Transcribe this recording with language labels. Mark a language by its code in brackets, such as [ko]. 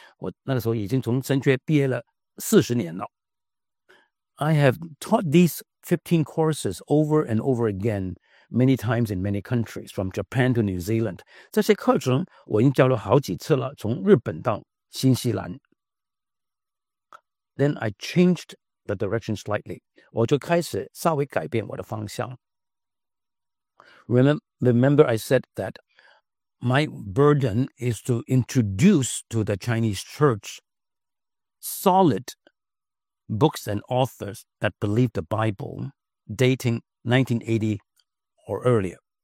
[zh] 我那个时候已经从神学毕业了40年了, [en] I have taught these 15 courses over and over again, many times in many countries, from Japan to New Zealand. [zh] 这些课程我已经教了好几次了,从日本到新西兰. [en] Then I changed the direction slightly. [zh] 我就开始稍微改变我的方向。 [en] Remember I said that my burden is to introduce to the Chinese church solid books and authors that believe the Bible dating 1980 or earlier.